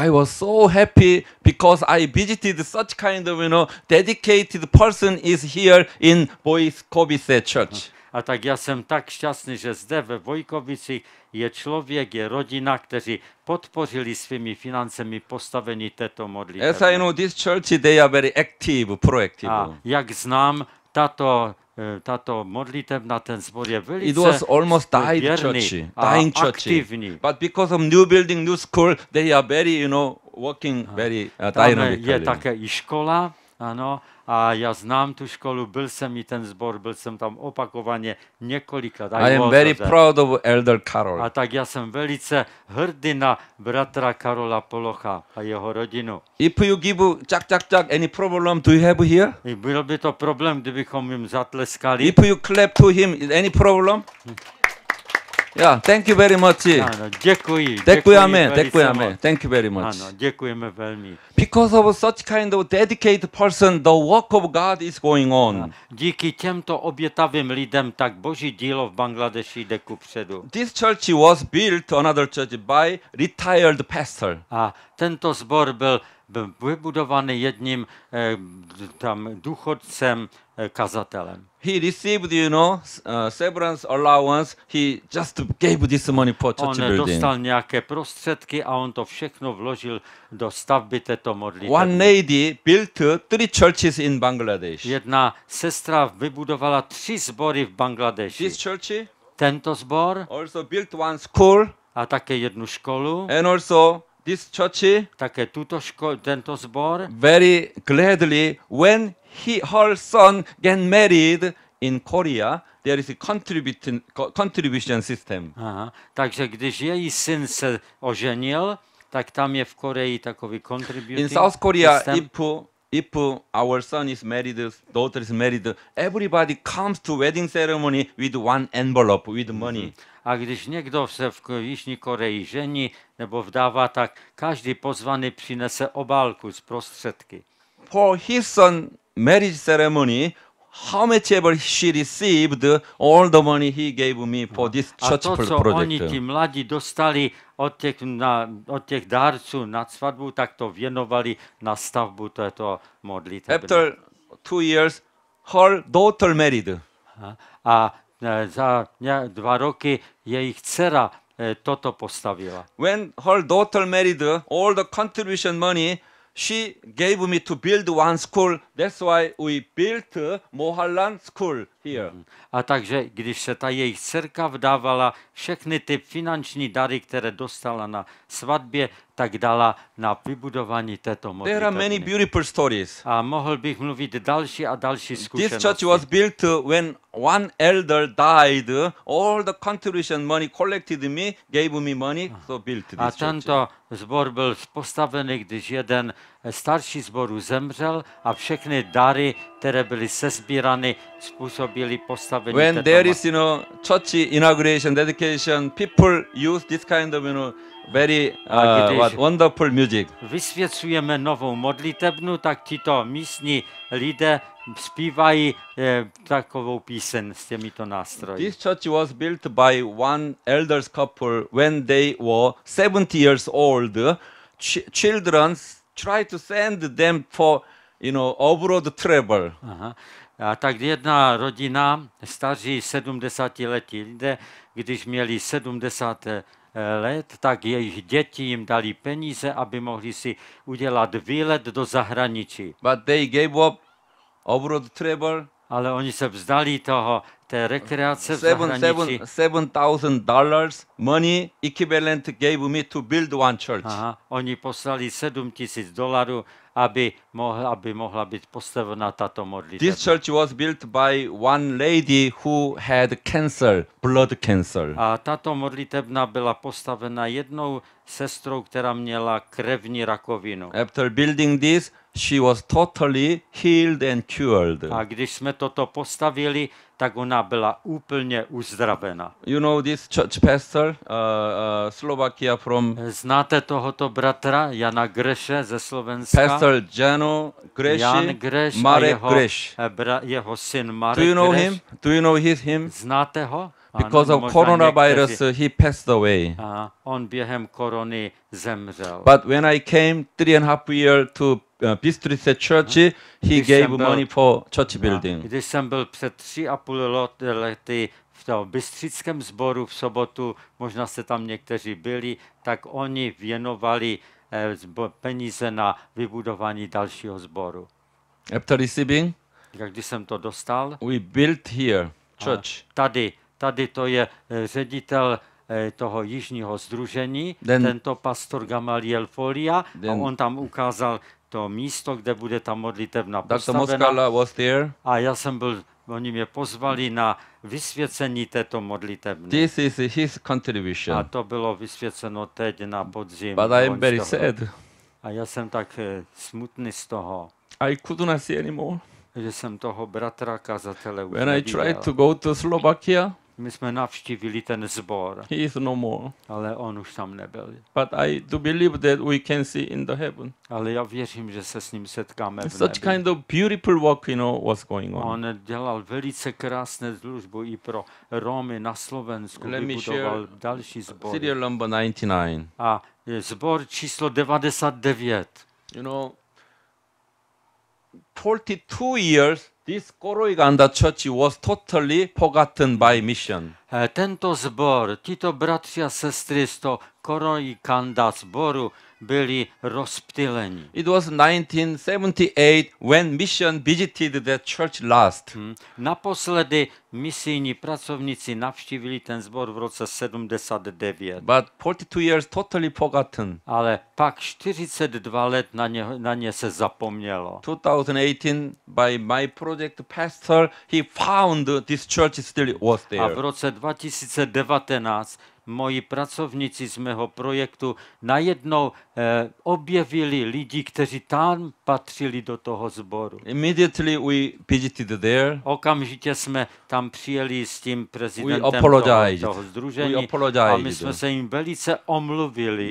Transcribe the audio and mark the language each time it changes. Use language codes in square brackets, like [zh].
[en] I was so happy because I visited such kind of, you know, dedicated person is here in Bojkovice church. [cs] A tak já jsem tak šťastný, že zde ve Vojkovicích je člověk, je rodina, kteří podpořili svými financemi postavení této modlitby. [en] As I know, this church, they are very active, proactive. [cs] A jak znám, tato modlitevna, ten zbor je velice věrný. [en] It was almost died church, dying church. But because of new building, new school, they are very, you know, working very dynamically. [cs] Tam je také i škola, ano. A já znám tu školu, byl jsem i ten zbor, byl jsem tam opakovaně několikrát. [en] I am very proud of Elder Carol. [cs] A tak já jsem velice hrdý na bratra Karola Polocha a jeho rodinu. [en] If you give chak, any problem do you have here? [cs] I byl by to problém, kdybychom jim zatleskali. [en] If you clap to him, any problem? Yeah, thank you very much. [cs] Ano, děkuji. Děkujeme. [en] Thank you very much. [cs] Ano, děkujeme velmi. [en] Because of such kind of dedicated person, the work of God is going on. [cs] Díky těmto obětavým lidem, tak Boží dílo v Bangladeši jde kupředu. [en] This church was built, another church, by retired pastor. [cs] A tento zbor byl vybudovaný jedním tam důchodcem, kazatelem. [en] He received, you know, severance allowance. He just gave this money for church building. [cs] On dostal nějaké prostředky a on to všechno vložil do stavby této modlitby. [en] One lady built 3 churches in Bangladesh. [cs] Jedna sestra vybudovala 3 zbory v Bangladeši. [en] This church? [cs] Tento zbor? [en] Also built one school. [cs] A také jednu školu. [en] And also this church? [cs] Také tuto školu, tento zbor. [en] Very gladly when her son get married in Korea, there is a contribution system. [cs] Aha, takže když její syn se oženil, tak tam je v Koreji takový [en] contribution system. In South Korea, if our son is married, daughter is married, everybody comes to wedding ceremony with one envelope with money. [cs] A když někdo se v Jižní Koreji žení nebo vdává, tak každý pozvaný přinese obálku s prostředky. [en] For his son marriage ceremony, how much ever she received, all the money he gave me for this church project. [cs] A to, co oni ti mladí dostali od těch dárců na svatbu, tak to věnovali na stavbu této modlitby. [en] After 2 years, her daughter married. [cs] A za 2 roky jejich dcera toto postavila. [en] When her daughter married, all the contribution money she gave me to build one school, That's why we built Mohalland School here. [cs] A takže když se ta jejich dcerka vdávala, všechny ty finanční dary, které dostala na svatbě, tak dala na vybudování této modlitevny. [en] There are many beautiful stories. [cs] A mohl bych mluvit další a další zkušenosti. [en] This church was built when one elder died, all the contribution money collected me, gave me money, so built this church. [cs] A tento zbor byl postavený, když jeden starší zboru zemřel a všechny dary, které byly sesbírány, způsobily postavení [en] when [cs] této. [en] When there is, you know, church inauguration, dedication, people use this kind of, you know, very what wonderful music. [cs] Vysvěcujeme novou modlitebnu, tak tito místní lidé zpívají takovou píseň s těmito nástroji. [en] This church was built by one elders couple when they were 70 years old. Children try to send them for, you know, abroad travel. [cs] A tak jedna rodina, staří 70letí lidé, když měli 70 let, tak jejich děti jim dali peníze, aby mohli si udělat výlet do zahraničí. [en] But they gave up abroad travel. [cs] Ale oni se vzdali toho, té rekreace v zahraničí. [en] $7,000 money equivalent gave me to build one church. [cs] Aha, oni poslali $7,000, aby mohla být postavena tato modlitba. [en] This church was built by one lady who had cancer, blood cancer. [cs] A tato modlitebna byla postavena jednou sestrou, která měla krevní rakovinu. [en] After building this, she was totally healed and cured. [cs] A když jsme toto postavili, tak ona byla úplně uzdravena. [en] You know this church pastor, Slovakia from. [cs] Znáte tohoto bratra Jana Greše ze Slovenska? [en] Pastor Jano Greši, [cs] Jan Greš, Marek Greš. Jeho syn Marek Greš. [en] Do you know him? Do you know his him? [cs] Znáte ho? [en] Because of coronavirus, he passed away. [cs] On během korony zemřel. [en] But when I came 3.5 years to Bystrice Church, he gave money for church building. [cs] Když jsem byl před 3.5 lety v tom Bystrickém sboru v sobotu, možná se tam někteří byli, tak oni věnovali peníze na vybudování dalšího sboru. [en] After receiving, [cs] když jsem to dostal, [en] we built here church. [cs] Tady to je ředitel toho jižního sdružení, [en] then, [cs] tento pastor Gamaliel Folia, then, a on tam ukázal to místo, kde bude ta modlitevna postavena. A já jsem byl, oni mě pozvali na vysvěcení této modlitevny. [en] This is his contribution. [cs] A to bylo vysvěceno teď na podzim. [en] But I am very sad. [cs] A já jsem tak smutný z toho. [en] I could not see anymore. [cs] Že jsem toho bratra kazatele už neviděl. [en] When I tried to go to Slovakia, [cs] my jsme navštívili ten zbor. [en] He is no more. [cs] Ale on už tam nebyl. [en] But I do believe that we can see in the heaven. [cs] Ale já věřím, že se s ním setkáme v nebi. [en] Such kind of beautiful work, you know, was going on. [cs] On dělal velice krásné službu i pro Romy na Slovensku. [en] Let me share [cs] další zbor. [en] Serial number 99. [cs] A zbor číslo 99. [en] You know, 42 years this Koroiganda church was totally forgotten by mission. [cs] Tento zbor, tito bratři a sestry z toho Koroiganda zboru byli rozptýleni. [en] It was 1978 when mission visited the church last. [cs] Naposledy misijní pracovníci navštívili ten zbor v roce 79. [en] But 42 years totally forgotten. [cs] Ale pak 42 let na ně se zapomnělo. [en] 2018 by my project pastor he found this church still was there. [cs] A v roce 2019 moji pracovníci z mého projektu najednou objevili lidi, kteří tam patřili do toho sboru. [en] Immediately we visited there. [cs] Okamžitě jsme tam přijeli s tím prezidentem toho sdružení. [en] We apologized. [cs] A my jsme se jim velice omluvili.